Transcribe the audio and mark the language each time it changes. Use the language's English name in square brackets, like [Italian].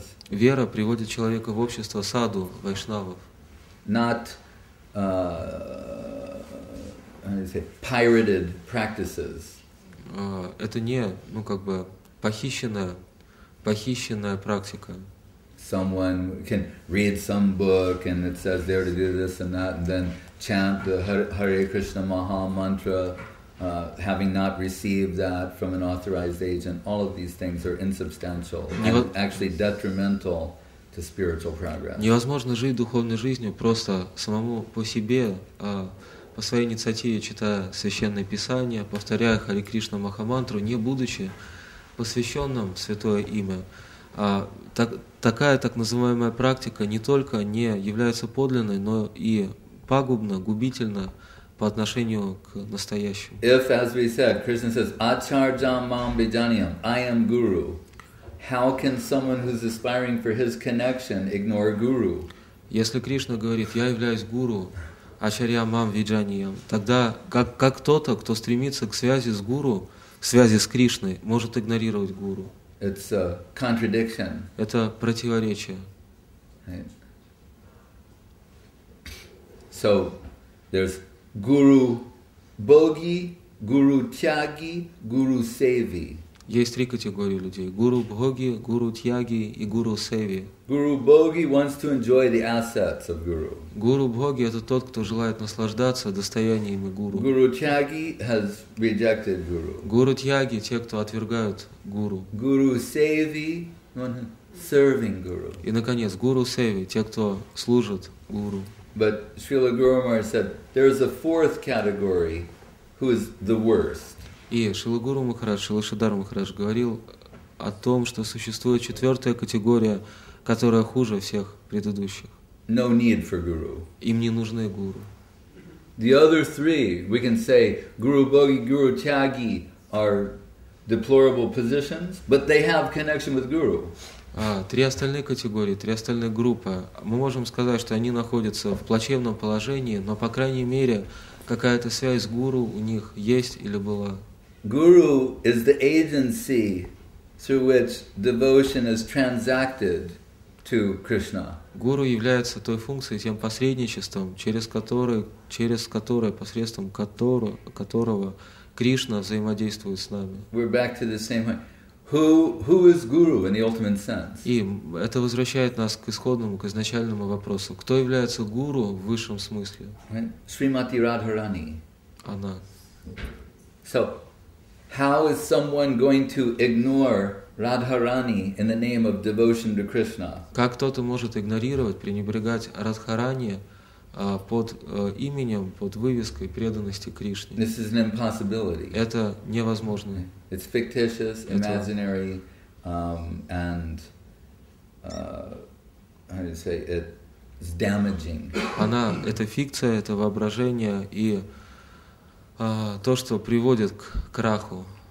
[Russian] Вера приводит человека в общество саду, вайшнавов. [English] Not pirated practices. [Russian] Это не, ну как бы похищенная практика. [English] Someone can read some book and it says there to do this and that, and then chant the Hare Krishna Maha mantra. Having not received that from an authorized agent, all of these things are insubstantial and actually detrimental to spiritual progress. [Russian] Невозможно жить духовной жизнью просто самому по себе, по своей инициативе, читая священные писания, повторяя Хари Кришна Махамантру, не будучи посвященным в святое имя. Такая так называемая практика не только не является подлинной, но и пагубна, губительна по отношению к настоящему. [English] If, as we said, Krishna says, [Sanskrit] Acharjam mam bijaniyam, [English] I am Guru, how can someone who's aspiring for his connection ignore Guru? [Russian] Если Кришна говорит, я являюсь Гуру, [Sanskrit] Acharjam mam bijaniyam, [Russian] тогда как кто-то, кто стремится к связи с Гуру, к связи с Кришной, может игнорировать Гуру? [English] It's a contradiction. [Russian] Это противоречие. [English] Right. So, there's Guru Bogi, Guru Tyagi, Guru Sevi. [Russian] Есть три категории людей: Guru Bogi, Guru Tyagi и Guru Sevi. [English] Guru Bogi wants to enjoy the assets of Guru. [Russian] Guru Bogi это тот, кто желает наслаждаться достояниями Guru. [English] Guru Tyagi has rejected Guru. [Russian] Guru Tyagi те, кто отвергают Guru. [English] Guru Sevi, serving Guru. [Russian] И наконец, Guru Sevi те, кто служит Guru. [English] But Srila Guru Maharaj said there is a fourth category who is the worst. [Russian] И Шрила Гуру Махарадж, Шрила Шридхара Махарадж говорил о том, что существует четвертая категория, которая хуже всех предыдущих. [English] No need for guru. [Russian] Им не нужны гуру. [English] The other three, we can say Guru Bogi, Guru Tyagi are deplorable positions, but they have connection with guru. [Russian] Три остальные категории, три остальные группы, мы можем сказать, что они находятся в плачевном положении, но, по крайней мере, какая-то связь с гуру у них есть или была. [English] Guru is the agency through which devotion is transacted to Krishna. [Russian] Гуру является той функцией, тем посредничеством, через которое, посредством которого Кришна взаимодействует с нами. [English] We're back to the same point. Who is guru in the ultimate sense? [Russian] И это возвращает нас к исходному, к изначальному вопросу. Кто является гуру в высшем смысле? Шримати Радхарани. Она. [English] So, how is someone going to ignore Radharani in the name of devotion to Krishna? [Russian] Как кто-то может игнорировать, пренебрегать Радхарани под именем, под вывеской преданности Кришне? [English] This is an impossibility. [Russian] Это невозможно. [English] It's fictitious, imaginary, and how do you say it? It's damaging. [Russian] Она — это фикция, это воображение и то, что приводит к краху.